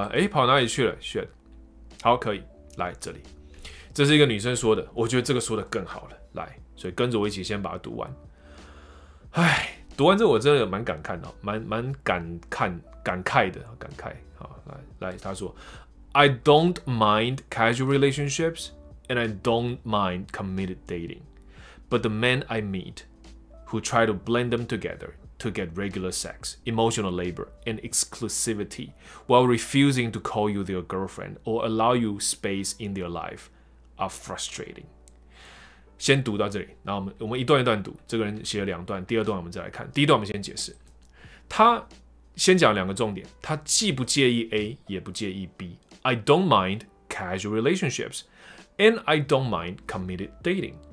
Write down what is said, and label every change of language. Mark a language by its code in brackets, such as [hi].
[zh] 跑哪里去了 ？Shit， 好，可以来这里。这是一个女生说的，我觉得这个说的更好了。来，所以跟着我一起先把它读完。哎，读完之后我真的蛮感慨的，蛮感慨的。好，来，她说 [en] ，I don't mind casual relationships and I don't mind committed dating, but the men I meet who try to blend them together. To get regular sex, emotional labor, and exclusivity, while refusing to call you their girlfriend or allow you space in their life, are frustrating. [zh] 先读到这里，然后我们一段一段读。这个人写了两段，第二段我们再来看。第一段我们先解释。他先讲两个重点，他既不介意 A， 也不介意 B。 [en] I don't mind casual relationships, and I don't mind committed dating.